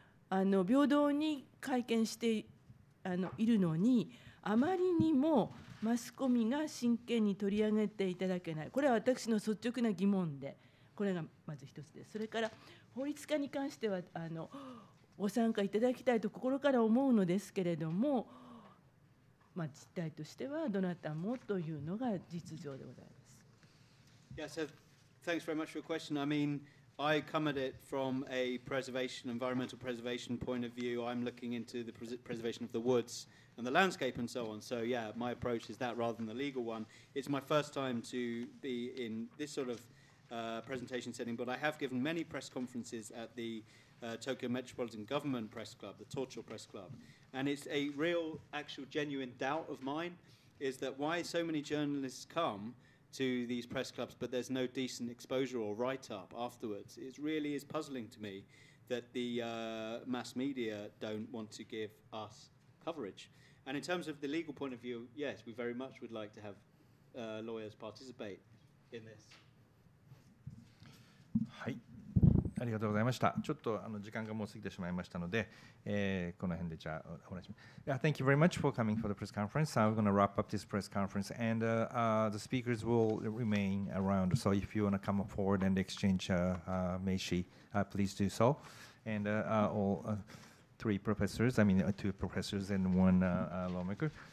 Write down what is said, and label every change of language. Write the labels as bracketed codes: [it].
[ja] 平等に会見しているのに、あまりにもマスコミが真剣に取り上げていただけない、これは私の率直な疑問で、これがまず一つです。それから法律家に関してはご参加いただきたいと心から思うのですけれども、まあ、実態としてはどなたもというのが実情でございます。 [en] Yeah, so thanks very much for your question. I mean, I come at it from a preservation, environmental preservation point of view. I'm looking into the preservation of the woods and the landscape and so on. So, yeah, my approach is that rather than the legal one. It's my first time to be in this sort of presentation setting, but I have given many press conferences at the Tokyo Metropolitan Government Press Club, the Tocho Press Club, and it's a real, actual, genuine doubt of mine is that why so many journalists come to these press clubs but there's no decent exposure or write-up afterwards. It really is puzzling to me that the mass media don't want to give us coverage. And in terms of the legal point of view, yes, we very much would like to have lawyers participate in this. [ja] はい、ありがとうございました。ちょっと時間がもう過ぎてしまいましたので、この辺でじゃあお話しします。 [en] Yeah, thank you very much for coming for the press conference. I'm going to wrap up this press conference and the speakers will remain around. So if you want to come forward and exchange meishi, please do so. And all three professors, I mean two professors and one lawmaker.